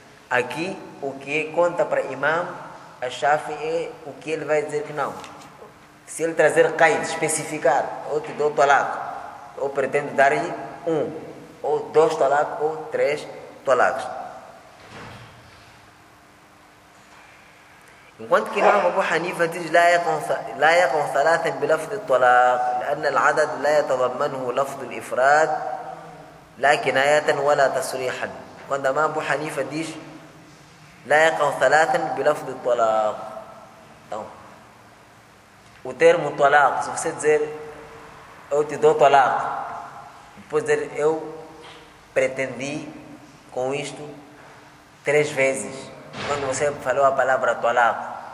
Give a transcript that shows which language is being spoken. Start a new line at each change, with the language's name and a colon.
Portuguese: Aqui, o que conta para Imam Ash-Shafi é o que ele vai dizer que não. Se ele trazer qaid, especificar, ou te dou talaq, ou pretendo dar-lhe um, ou dois talaq, ou três talaqs. Enquanto que Imam Abu Hanifa diz
Arabic: لا يقم ثلاثا بلفظ الطلاق لأن العدد لا يتضمنه لفظ الإفراد لا كناية ولا تصريحا.
Portuguese: Quando Imam Abu Hanifa diz
Arabic: لا يقم ثلاثا بلفظ الطلاق.
Portuguese: Então, o termo talaq, se você dizer eu te dou talaq, depois dizer eu pretendi com isto três vezes, quando você falou a palavra talaq.